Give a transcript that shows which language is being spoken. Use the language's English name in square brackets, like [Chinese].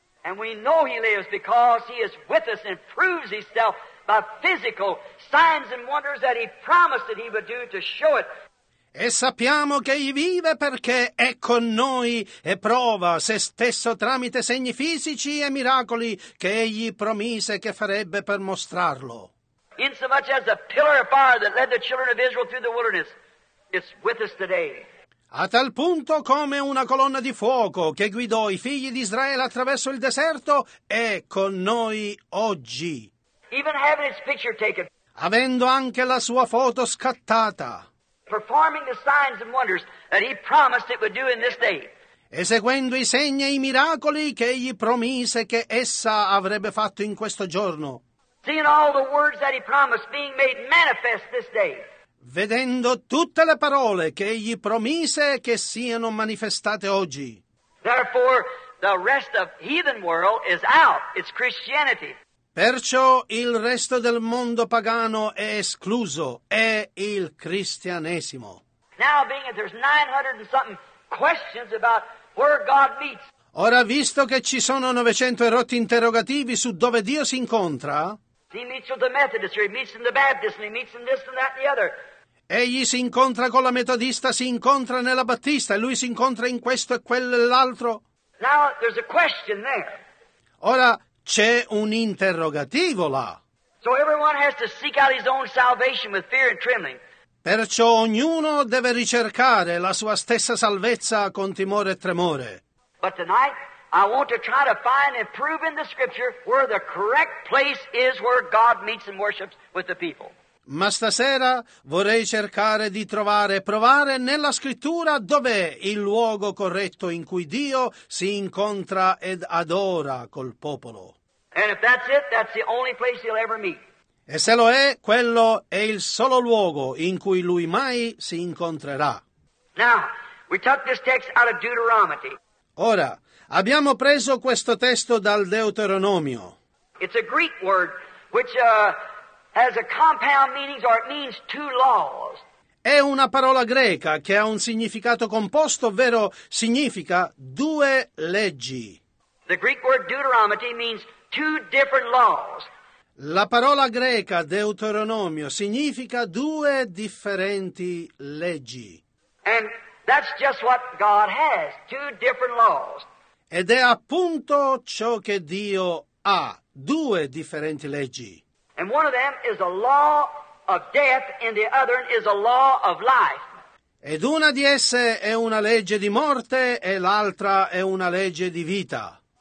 [English] And we know he lives because he is with us and proves himself by physical signs and wonders that he promised that he would do to show it. [Italian] E sappiamo che egli vive perché è con noi e prova se stesso tramite segni fisici e miracoli che egli promise che farebbe per mostrarlo. [English] Insomuch as the pillar of fire that led the children of Israel through the wilderness, it's with us today. [Italian] A tal punto come una colonna di fuoco che guidò i figli di Israele attraverso il deserto è con noi oggi. [English] Even having his picture taken, [Italian] avendo anche la sua foto scattata. [English] Performing the signs and wonders that he promised it would do in this day. [Italian] Eseguendo i segni e i miracoli che egli promise che essa avrebbe fatto in questo giorno. [English] Seeing all the words that he promised being made manifest this day. [Italian] Vedendo tutte le parole che egli promise che siano manifestate oggi. [English] Therefore, the rest of heathen world is out. It's Christianity. [Italian] Perciò il resto del mondo pagano è escluso. È il cristianesimo. [English] Now being that there's 900 and something questions about where God meets. [Italian] Ora visto che ci sono 900 e rotti interrogativi su dove Dio si incontra. [English] He meets with the Methodist, or he meets in the Baptist, and he meets in this and that and the other. [Italian] Egli si incontra con la metodista, si incontra nella battista, e lui si incontra in questo e quello e l'altro. [English] Now, there's a question there. [Italian] Ora, c'è un interrogativo là. [English] So everyone has to seek out his own salvation with fear and trembling. [Italian] Perciò ognuno deve ricercare la sua stessa salvezza con timore e tremore. [English] But tonight, I want to try to find and prove in the Scripture where the correct place is where God meets and worships with the people. [Italian] Ma stasera vorrei cercare di trovare e provare nella Scrittura dov'è il luogo corretto in cui Dio si incontra ed adora col popolo. [English] And if that's it, that's the only place he'll ever meet. [Italian] E se lo è, quello è il solo luogo in cui lui mai si incontrerà. [English] Now, we took this text out of Deuteronomy. [Italian] Ora, abbiamo preso questo testo dal Deuteronomio. [English] It's a Greek word which has a compound meaning, or it means two laws. [Italian] È una parola greca che ha un significato composto, ovvero significa due leggi. [English] The Greek word Deuteronomy means two different laws. [Italian] La parola greca Deuteronomio significa due differenti leggi. [English] And that's just what God has, two different laws. [Italian] Ed è appunto ciò che Dio ha, due differenti leggi. [English] And one of them is a law of death and the other is a law of life. [Italian] Ed una di esse è una legge di morte e l'altra è una legge di vita.